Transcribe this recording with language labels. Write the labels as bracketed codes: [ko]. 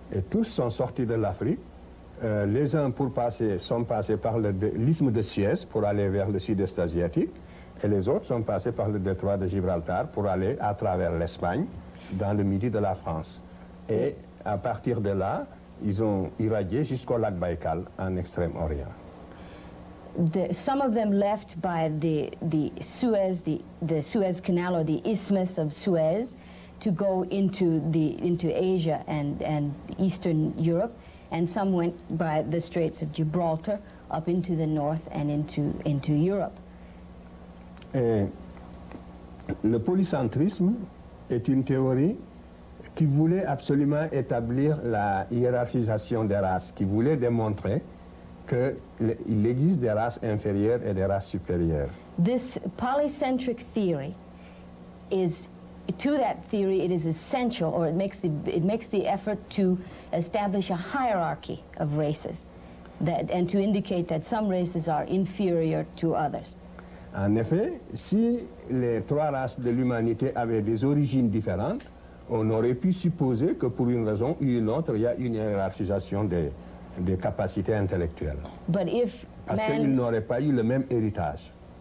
[fr] Et tous sont sortis de l'Afrique. Les uns pour passer, sont passés par l'isthme de Suez pour aller vers le sud-est asiatique. Et les autres sont passés par le détroit de Gibraltar pour aller à travers l'Espagne, dans le midi de la France. Et à partir de là, ils ont irradié jusqu'au lac Baïkal, en Extrême-Orient. [en] Some of them left by the Suez Canal or the Isthmus of Suez to go into Asia and Eastern Europe, and some went by the Straits of Gibraltar up into the north and into Europe. [fr] Et le polycentrisme est une théorie qui voulait absolument établir la hiérarchisation des races, qui voulait démontrer qu'il existe des races inférieures et des races supérieures. [en] This polycentric theory is, to that theory, it is essential, or it makes the effort to establish a hierarchy of races, that, and to indicate that some races are inferior to others. [fr] En effet, si les trois races de l'humanité avaient des origines différentes, on aurait pu supposer que pour une raison ou une autre, il y a une hiérarchisation des capacités intellectuelles. [en] But if [fr] Parce [en] man, [fr] qu'ils n'auraient pas eu le même héritage.